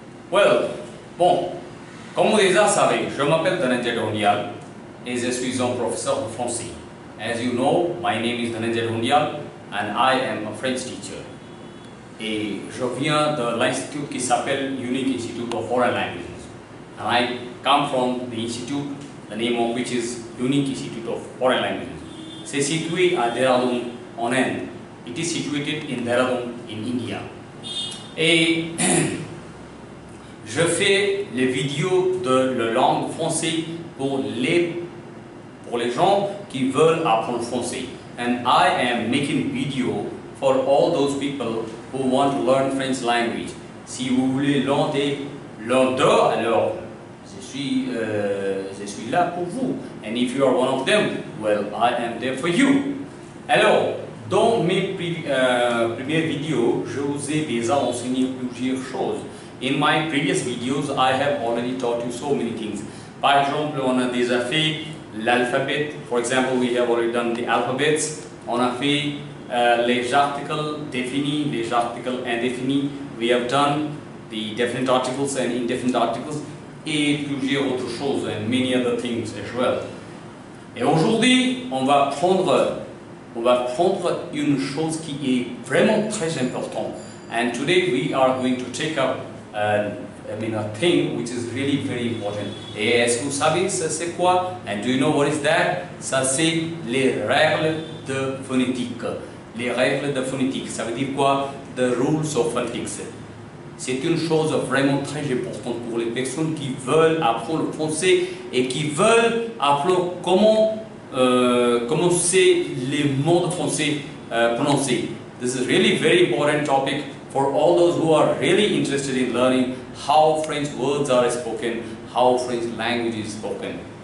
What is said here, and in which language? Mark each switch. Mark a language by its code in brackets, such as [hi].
[fr] Well, bon, comme vous déjà savez, je m'appelle Dhananjay Dhondial et je suis un professeur de français. [en] As you know, my name is Dhananjay Dhondial and I am a French teacher. [fr] Et je viens de l'institut qui s'appelle Unique Institute of Foreign Languages. [en] And I come from the institute, the name of which is Unique Institute of Foreign Languages. [fr] C'est situé à Dehradun, en Inde. [en] It is situated in Dehradun, in India. [fr] Et je fais les vidéos de la langue française pour les gens qui veulent apprendre français. [en] And I am making video for all those people who want to learn French language. [fr] Si vous voulez l'entendre, alors je suis là pour vous. [en] And if you are one of them, well, I am there for you. [fr] Alors, dans mes premières vidéos, je vous ai déjà enseigné plusieurs choses. [en] In my previous videos, I have already taught you so many things. [fr] Par exemple, on a déjà fait l'alphabet. [en] For example, we have already done the alphabets. [fr] On a fait les articles définis, les articles indéfinis. [en] We have done the definite articles and indefinite articles. [fr] Et plusieurs autres choses, [en] and many other things as well. [fr] Et aujourd'hui, on va prendre une chose qui est vraiment très important. [en] And today we are going to take up a thing which is really very important. [fr] Et est-ce que vous savez ça c'est quoi? [en] And do you know what is that? [fr] Ça c'est les règles de phonétique. Les règles de phonétique, ça veut dire quoi? [en] The rules of phonetics. [fr] C'est une chose vraiment très importante pour les personnes qui veulent apprendre le français et qui veulent apprendre comment c'est les mots de français prononcés. [en] This is really very important topic for all those who are really interested in learning how French words are spoken, how French language is spoken.